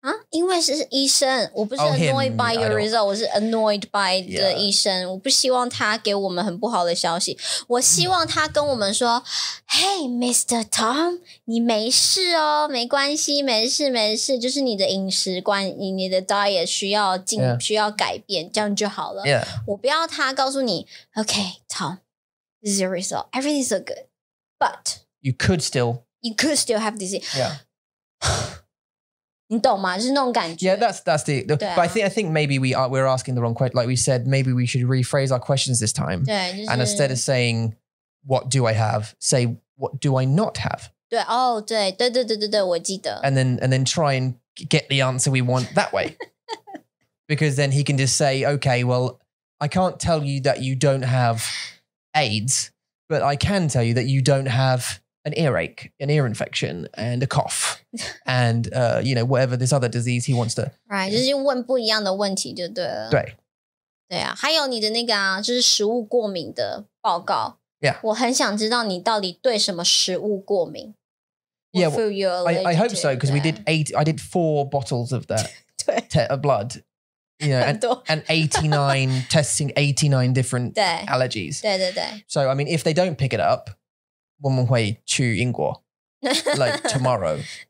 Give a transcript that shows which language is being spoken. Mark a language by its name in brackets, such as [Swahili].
[Chinese] 因为是医生我不是 [English] annoyed by your result [Chinese] 我是 [English] annoyed by the [Chinese] 医生我不希望他给我们很不好的消息我希望他跟我们说 [English] Hey Mr. [Chinese] Tom 你没事哦没关系没事没事就是你的饮食观你的 diet 需要改变这样就好了、 [English] yeah. [Chinese] 我不要他告诉你 [English] OK Tom This is your result Everything is so good But You could still have disease Yeah [Chinese] 你懂吗?就是那种感觉。 [English] Yeah, that's the... [Chinese] 对啊。 [English] But I think maybe we're asking the wrong question. Like we said, maybe we should rephrase our questions this time. [Chinese] 对,就是... [English] And instead of saying, what do I have, say what do I not have. [Chinese] 对, 哦, 对, 对, 对, 对, 对, 对, 我记得。 [English] And then try and get the answer we want that way. Because then he can just say, okay, well, I can't tell you that you don't have AIDS, but I can tell you that you don't have an earache, an ear infection, and a cough, and, you know, whatever this other disease he wants to... [Chinese] Right, 就是问不一样的问题就对了。对。对啊,还有你的那个啊,就是食物过敏的报告。 [English] Yeah. [Chinese] 我很想知道你到底对什么食物过敏。 [English] Yeah, well, I hope so, because we did eight, I did four bottles of that of blood. You know, and 89, testing 89 different [Chinese] 对, [English] allergies. [Chinese] 对对对。 [English] So, I mean, if they don't pick it up, [Chinese] 我们会去英国, [English] like tomorrow.